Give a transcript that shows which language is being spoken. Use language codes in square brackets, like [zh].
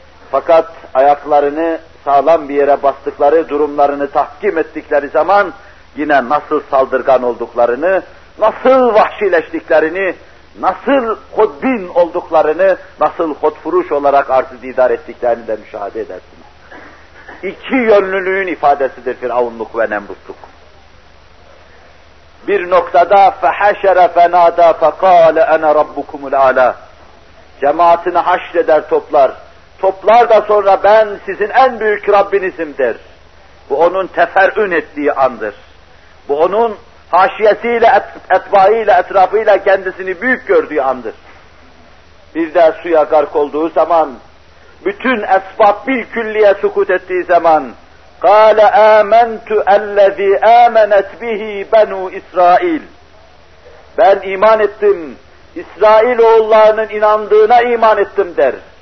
[tr] Fakat ayaklarını sağlam bir yere bastıkları, durumlarını tahkim ettikleri zaman yine nasıl saldırgan olduklarını, nasıl vahşileştiklerini, nasıl hodbin olduklarını, nasıl hodfuruş olarak arz-ı didar ettiklerini de müşahede edersiniz. İki yönlülüğün ifadesidir firavunluk ve nemrutluk. Bir noktada [ar] فَحَشَرَ فَنَادَى فَقَالَ اَنَا رَبُّكُمُ الْعَلَى [tr] cemaatini haşreder, toplar. Toplar da sonra ben sizin en büyük Rabbinizim der. Bu onun teferrün ettiği andır. Bu onun haşiyetiyle, etbaiyle, etrafıyla kendisini büyük gördüğü andır. Bir de suya gark olduğu zaman bütün esbab bil külliye sukut ettiği zaman, [ar] قَالَ آمَنْتُ أَلَّذ۪ي آمَنَتْ بِه۪ي بَنُوا إِسْرَائِيلِ [tr] Ben iman ettim, İsrail oğullarının inandığına iman ettim der.